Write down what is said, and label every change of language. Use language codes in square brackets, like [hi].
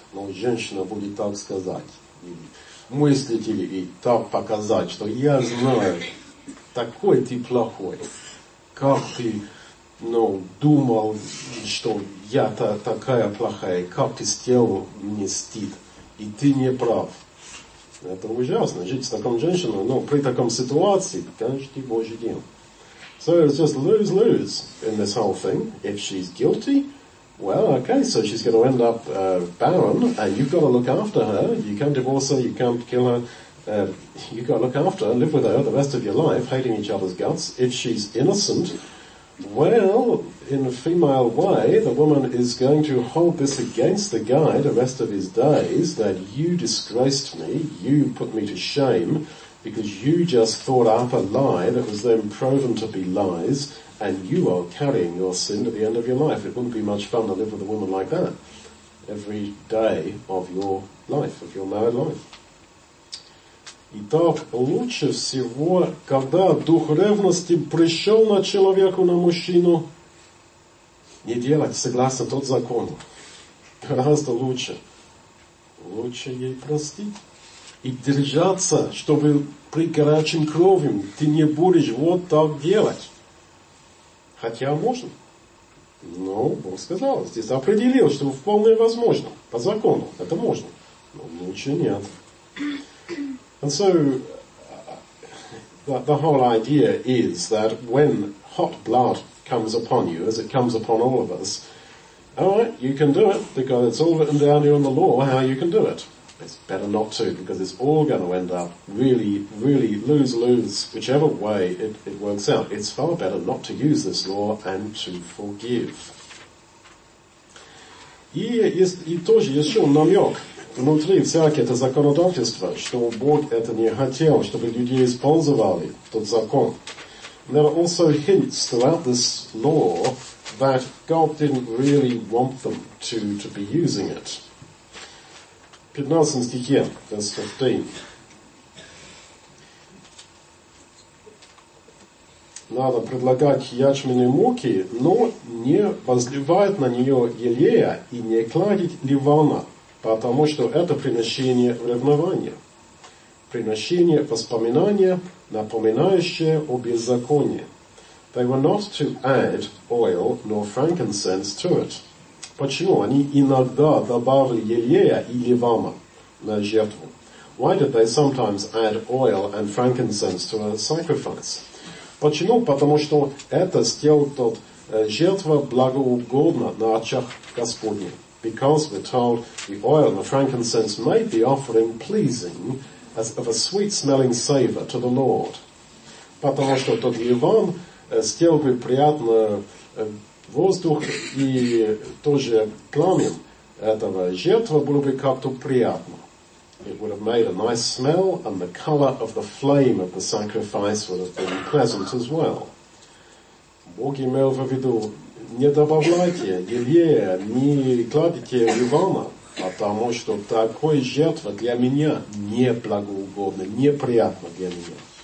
[ru] Ну, женщина будет так сказать. Мыслить или и так показать, что я знаю, такой ты плохой. Как ты, ну, думал, что я-то такая плохая, как ты сделал мне стыд, и ты не прав. Это ужасно, жить с таком женщиной, но при таком ситуации, конечно, ты Божий день. [en] So it's just lose-lose in this whole thing. If she's guilty, well, okay, so she's going to end up barren, and you've got to look after her. You can't divorce her, you can't kill her. You've got to look after her, live with her the rest of your life, hating each other's guts. If she's innocent, well, in a female way, the woman is going to hold this against the guy the rest of his days, that you disgraced me, you put me to shame, because you just thought up a lie that was then proven to be lies, and you are carrying your sin to the end of your life. It wouldn't be much fun to live with a woman like that every day of your life, of your married life. [ru] Итак, лучше всего, когда дух ревности пришел на человеку, на мужчину, не делать согласно тот закон. Гораздо лучше. Лучше ей простить. И держаться, чтобы при горячем крови ты не будешь вот так делать. Хотя можно. Но Бог сказал, здесь определил, что вполне возможно. По закону это можно. Но ничего нет. [en] And so, the whole idea is that when hot blood comes upon you, as it comes upon all of us, alright, you can do it, because it's all written down here in the law how you can do it. It's better not to, because it's all going to end up really, really lose-lose, whichever way it works out. It's far better not to use this law and to forgive. [ru] И тоже еще намек внутри всякое это законодательство, что Бог это не хотел, чтобы люди использовали тот закон. [en] There are also hints throughout this law that God didn't really want them to be using it. [ru] 15 стихе, [en] verse 15. [ru] Надо предлагать ячменные муки, но не возливает на нее елея и не кладить ливана, потому что это приношение ревнования, приношение воспоминания, напоминающее о беззаконии. [en] They were not to add oil nor frankincense to it. [ru] Почему? Они иногда добавили елея и ливана на жертву. [en] Why did they sometimes add oil and frankincense to a sacrifice? [ru] Почему? Потому что это сделал тот жертва благоугодна на очах Господня. [en] Because we're told the oil and the frankincense made the offering pleasing as of a sweet-smelling savor to the Lord. [ru] Потому что тот ливан сделал бы приятно воздух и тоже пламя этого жертва было бы как-то приятно. [en] It would have made a nice smell, and the color of the flame of the sacrifice would have been pleasant as well. [ru] Бог имел в виду, не добавляйте елея, не кладите ливана, потому что такое жертва для меня не благоугодно, неприятно для меня.